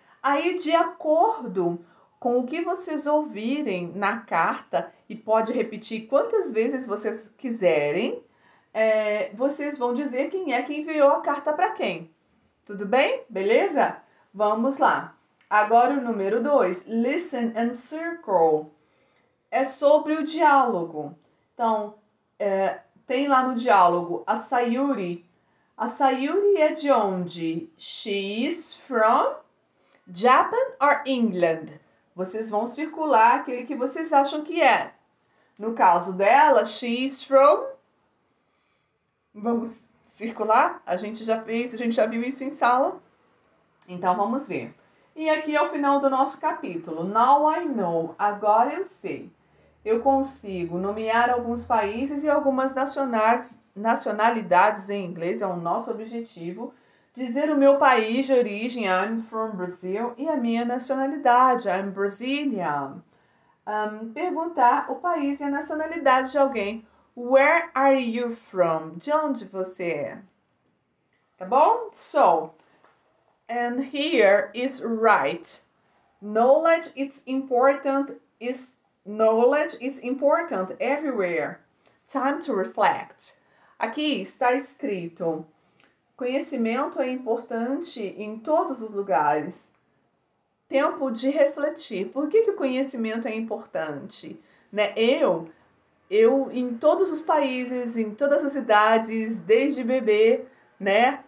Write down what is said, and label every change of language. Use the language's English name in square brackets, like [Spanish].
[Portuguese] Aí, de acordo com o que vocês ouvirem na carta, e pode repetir quantas vezes vocês quiserem, vocês vão dizer quem é que enviou a carta para quem. Tudo bem? Beleza? Vamos lá. Agora o número 2. [English] Listen and circle. [Portuguese] É sobre o diálogo. Então, tem lá no diálogo a Sayuri. A Sayuri é de onde? [English] She is from Japan or England? [Portuguese] Vocês vão circular aquele que vocês acham que é. No caso dela, [English] she is from. [Portuguese] Vamos circular? A gente já fez, a gente já viu isso em sala. Então vamos ver. E aqui é o final do nosso capítulo. [English] Now I know. [Portuguese] Agora eu sei. Eu consigo nomear alguns países e algumas nacionalidades em inglês, é o nosso objetivo. Dizer o meu país de origem, [English] I'm from Brazil, [Portuguese] e a minha nacionalidade, [English] I'm Brazilian. [Portuguese] Perguntar o país e a nacionalidade de alguém. [English] Where are you from? [Portuguese] De onde você é? Tá bom? [English] So, and here is right. Knowledge is important is. Knowledge is important everywhere. Time to reflect. [Portuguese] Aqui está escrito: conhecimento é importante em todos os lugares. Tempo de refletir. Por que que o conhecimento é importante? Né? Eu em todos os países, em todas as idades, desde bebê, né?